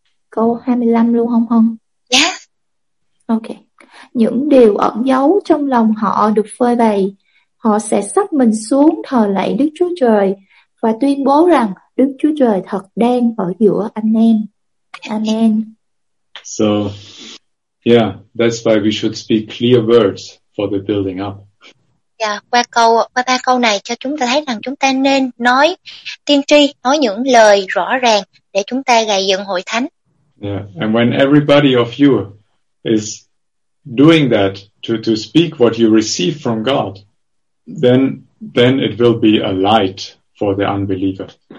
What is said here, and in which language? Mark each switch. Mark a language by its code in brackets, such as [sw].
[vi] Câu 25 luôn không hông? Yeah. Ok. Những điều ẩn giấu trong lòng họ được phơi bày. Họ sẽ sắp mình xuống thờ lạy Đức Chúa Trời và tuyên bố rằng Đức Chúa Trời thật đang ở giữa anh em. Amen. [en] So, yeah, that's why we should speak clear words for the building up. [vi] Yeah, qua ba câu này cho chúng ta thấy rằng chúng ta nên nói tiên tri, nói những lời rõ ràng để chúng ta gây dựng hội thánh. [en] Yeah, and when everybody of you is doing that to speak what you receive from God, then it will be a light for the unbeliever.